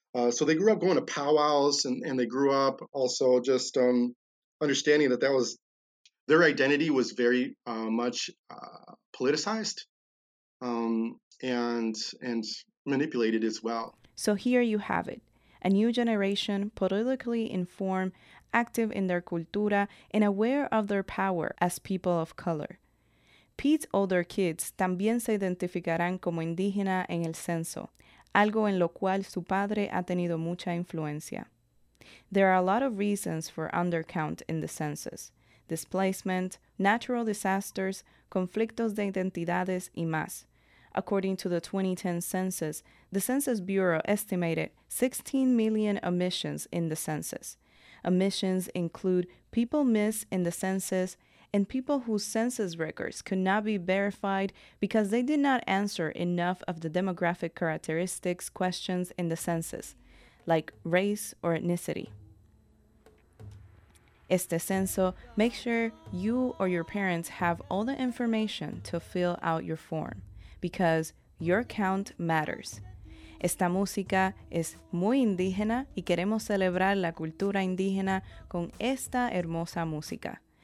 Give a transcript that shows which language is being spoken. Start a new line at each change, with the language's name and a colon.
English: So they grew up going to powwows, and they grew up also just understanding that was their identity was very much politicized and manipulated as well. So here you have it, a new generation politically informed, active in their cultura, and aware of their power as people of color. Pete's older kids
Spanish: también se identificarán como indígena en el censo, algo en lo cual su padre ha tenido mucha influencia.
English: There are a lot of reasons for undercount in the census: displacement, natural disasters,
Spanish: conflictos de identidades, y más.
English: According to the 2010 census, the Census Bureau estimated 16 million omissions in the census. Omissions include people missed in the census and people whose census records could not be verified because they did not answer enough of the demographic characteristics questions in the census, like race or ethnicity.
Spanish: Este censo,
English: make sure you or your parents have all the information to fill out your form, because your count matters.
Spanish: Esta música es muy indígena y queremos celebrar la cultura indígena con esta hermosa música.